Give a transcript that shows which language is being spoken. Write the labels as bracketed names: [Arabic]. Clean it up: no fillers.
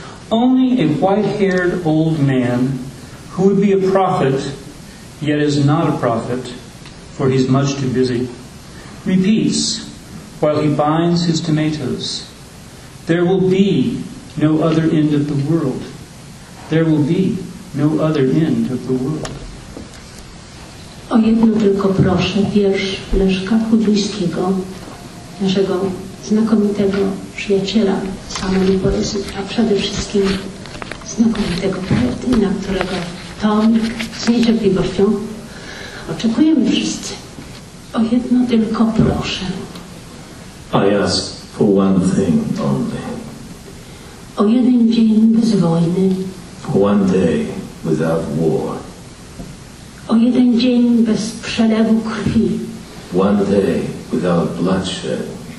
[English] Only a white-haired old man who would be a prophet, yet is not a prophet, for he's much too busy, repeats while he binds his tomatoes, there will be no other end of the world. There will be no other end of the world. [Polish] O jedno tylko proszę, wiersz Leszka Kubińskiego, naszego znakomitego przyjaciela, samego poezji, a przede wszystkim znakomitego poety, na którego tomik z niecierpliwością oczekujemy wszyscy. O jedno tylko proszę. [English] I ask for one thing only. [Polish] O jeden dzień bez wojny. [English] For one day without war. [Polish] O jeden dzień bez przelewu krwi. [English] One day without bloodshed.